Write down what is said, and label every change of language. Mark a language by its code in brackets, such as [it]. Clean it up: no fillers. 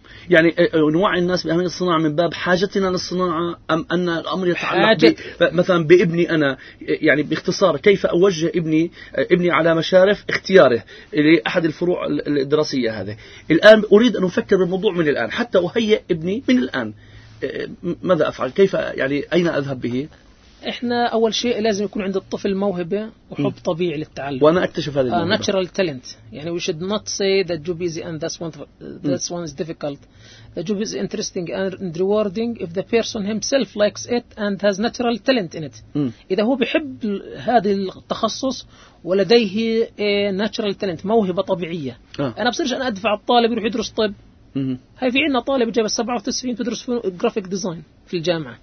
[ar] يعني نوعي الناس بأهمية الصناعة من باب حاجتنا للصناعة أم أن الأمر يتعلق مثلا بابني أنا؟ يعني باختصار كيف أوجه ابني على مشارف اختياره لأحد الفروع الدراسية هذه؟ الآن أريد أن أفكر بالموضوع من الآن حتى أهيئ ابني من الآن، ماذا أفعل؟ كيف يعني أين أذهب به؟ إحنا أول شيء لازم يكون عند الطفل موهبة وحب طبيعي للتعلم. وأنا أكتشف هذا. [en] Natural talent. يعني we should not say that job is easy and this one is difficult. The job is interesting and rewarding if the person himself likes it and has natural talent in it. [ar] إذا هو بيحب هذا التخصص ولديه [en] natural talent، [ar] موهبة طبيعية. أنا بصيرش أنا أدفع الطالب يروح يدرس طب. هاي في عنا طالب جاب 97 تدرس في جرافيك ديزاين في الجامعة